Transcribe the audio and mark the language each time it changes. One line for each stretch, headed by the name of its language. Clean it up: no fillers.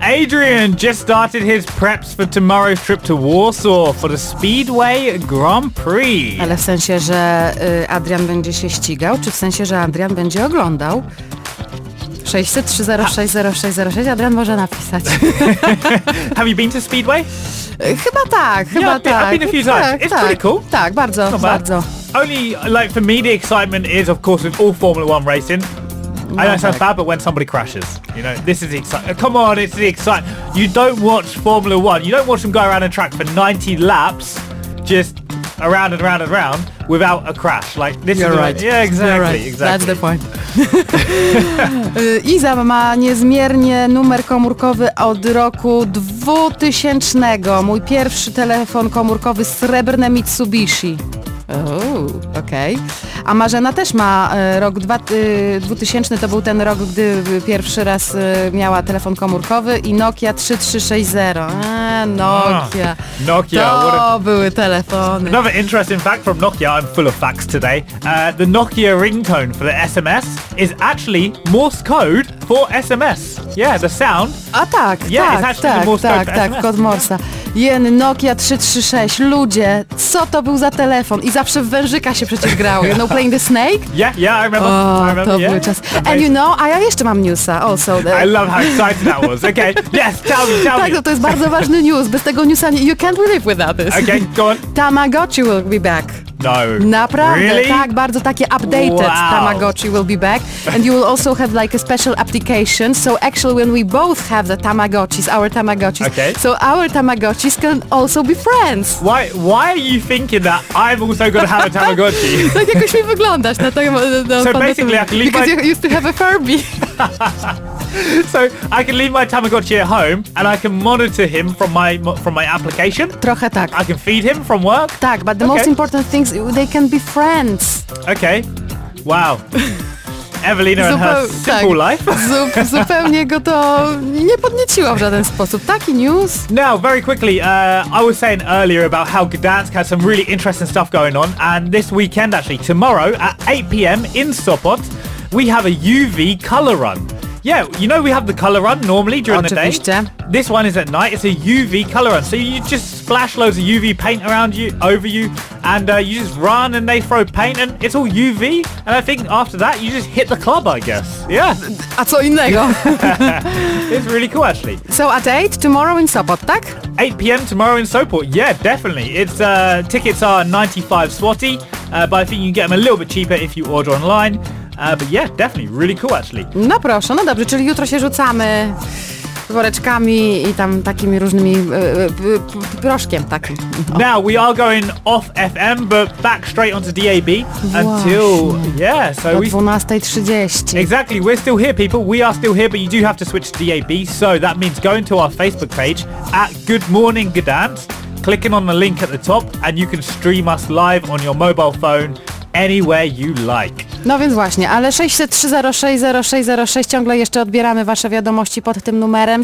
English: Adrian just started his preps for tomorrow's trip to Warsaw for the Speedway Grand Prix.
Polish: Ale w sensie, że Adrian będzie się ścigał, czy w sensie, że Adrian będzie oglądał? 600-306-0606, Adrian może napisać.
English: Have you been to Speedway?
Polish: Chyba tak, chyba
English: yeah,
Polish: tak.
English: I've been a few times. It's
Polish: tak,
English: pretty cool.
Polish: Tak, bardzo, no bardzo.
English: Only, like, for me, the excitement is, of course, with all Formula One racing. No, I know it sounds bad, but when somebody crashes, you know, this is the excitement. Come on, it's the excitement. You don't watch Formula One. You don't watch them go around a track for 90 laps, just around and around and around, without a crash. Like, this You're is right. The, yeah, exactly, You're right. Exactly. That's the point.
Polish: Iza ma niezmiernie numer komórkowy od roku 2000. Mój pierwszy telefon komórkowy, srebrne Mitsubishi. Okej. Okay. A Marzena też ma rok 2000, to był ten rok, gdy pierwszy raz miała telefon komórkowy i Nokia 3360. Nokia.
English: Oh, Nokia.
Polish: To były telefony.
English: Another interesting fact from Nokia, I'm full of facts today. The Nokia ringtone for the SMS is actually Morse code for SMS. Yeah, the sound.
Polish: A tak,
English: yeah,
Polish: tak,
English: it's actually
Polish: tak,
English: the Morse
Polish: tak,
English: code
Polish: tak, Kod Morsa. Jen, Nokia 336, ludzie, co to był za telefon? I zawsze w wężyka się przecież grały.
English: You know, playing the snake? Yeah, I remember. Oh, I remember to yeah.
Polish: Był czas.
English: And you know,
Polish: a ja jeszcze mam newsa also.
English: I love how excited that was. Okay, yes, tell me.
Polish: Tak, to jest bardzo ważny news. Bez tego newsa,
English: you can't live without this. Okay, go on. Tamagotchi will be back. No.
Polish: Naprawdę,
English: really?
Polish: Tak, bardzo takie updated.
English: Wow. Tamagotchi will be back. And you will also have like a special application. So actually when we both have the Tamagotchis, our Tamagotchis, okay. So our Tamagotchis can also be friends. Why are you thinking that I'm also going to have a Tamagotchi?
Polish: Tak jakoś mi wyglądasz na tego.
English: So basically I can leave my... Because you used to have a Furby. So I can leave my Tamagotchi at home and I can monitor him from my application.
Polish: Trochę tak.
English: I can feed him from work. Tak, but the okay. Most important thing is they can be friends. Okay. Wow. Evelina and her simple
Polish: tak.
English: Life.
Polish: Zupełnie go to nie podnieciło w żaden sposób. Taki news.
English: Now, very quickly, I was saying earlier about how Gdansk has some really interesting stuff going on, and this weekend actually, tomorrow at 8 p.m. in Sopot, we have a UV color run. Yeah, you know we have the color run normally during the day. This one is at night. It's a UV color run. So you just splash loads of UV paint around you, over you, and you just run and they throw paint and it's all UV. And I think after that, you just hit the club, I guess. Yeah.
Polish: A co innego.
English: It's really cool, actually. So at 8 tomorrow in Sopot, tak? 8 p.m. tomorrow in Sopot. Yeah, definitely. It's tickets are 95 swati, but I think you can get them a little bit cheaper if you order online. But yeah, definitely, really cool actually.
Polish: No proszę, no dobrze, czyli jutro się rzucamy woreczkami i tam takimi różnymi proszkiem takim. O.
English: Now we are going off FM, but back straight onto DAB until, yeah, so we... 12:30. Exactly, we're still here people, we are still here, but you do have to switch to DAB, so that means going to our Facebook page at Good Morning Gdansk, clicking on the link at the top, and you can stream us live on your mobile phone anywhere you like.
Polish: No więc właśnie, ale 603060606 ciągle jeszcze odbieramy wasze wiadomości pod tym numerem.